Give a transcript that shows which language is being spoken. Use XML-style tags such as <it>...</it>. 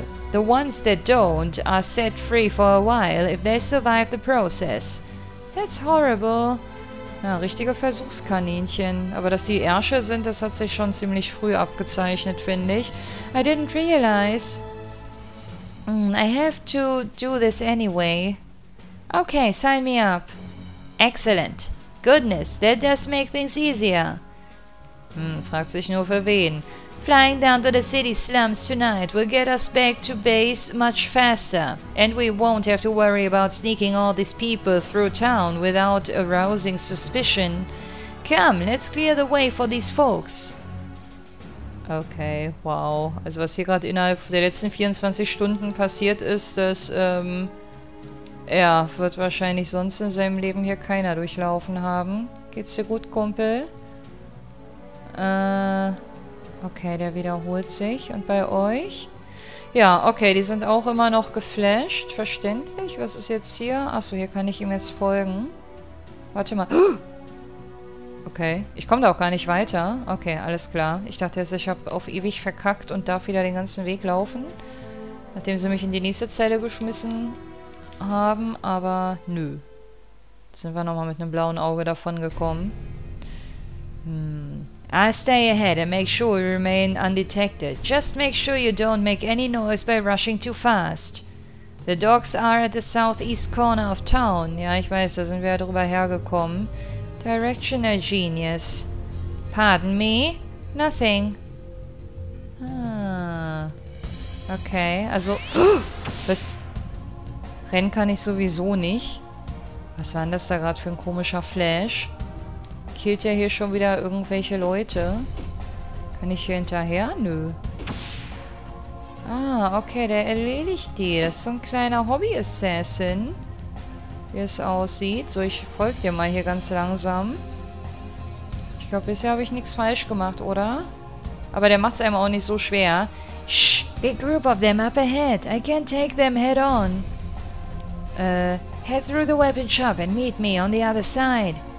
<en>The ones that don't are set free for a while if they survive the process. That's horrible.</en> <de>Ja, richtige Versuchskaninchen. Aber dass sie Ärsche sind, das hat sich schon ziemlich früh abgezeichnet, finde ich.</de> <en>I didn't realize. I have to do this anyway. Okay, sign me up. Excellent. Goodness, that does make things easier.</en> <de>Fragt sich nur für wen.</de> <en>Flying down to the city slums tonight will get us back to base much faster. And we won't have to worry about sneaking all these people through town without arousing suspicion. Come, let's clear the way for these folks. Okay, wow.</en> <de>Also was hier gerade innerhalb der letzten 24 Stunden passiert ist, das, ja, wird wahrscheinlich sonst in seinem Leben hier keiner durchlaufen haben. Geht's dir gut, Kumpel? Okay, der wiederholt sich. Und bei euch? Ja, okay, die sind auch immer noch geflasht. Verständlich. Was ist jetzt hier? Achso, hier kann ich ihm jetzt folgen. Warte mal. Okay, ich komme da auch gar nicht weiter. Okay, alles klar. Ich dachte jetzt, ich habe auf ewig verkackt und darf wieder den ganzen Weg laufen. Nachdem sie mich in die nächste Zelle geschmissen haben, aber nö. Jetzt sind wir nochmal mit einem blauen Auge davon gekommen.</de> <en>I'll stay ahead and make sure you remain undetected. Just make sure you don't make any noise by rushing too fast. The dogs are at the southeast corner of town.</en> <de>Ja, ich weiß, da sind wir ja drüber hergekommen.</de> <en>Directional genius. Pardon me? Nothing.</en> <de>Ah. Okay, also... Was? Rennen kann ich sowieso nicht. Was war denn das da gerade für ein komischer Flash? Killt ja hier schon wieder irgendwelche Leute. Kann ich hier hinterher? Nö. Ah, okay, der erledigt die. Das ist so ein kleiner Hobby-Assassin. Wie es aussieht. So, ich folge dir mal hier ganz langsam. Ich glaube, bisher habe ich nichts falsch gemacht, oder? Aber der macht es einem auch nicht so schwer.</de> <en>Shh, big group of them up ahead. I can't take them head on. Head through the weapon shop and meet me on the other side.</en>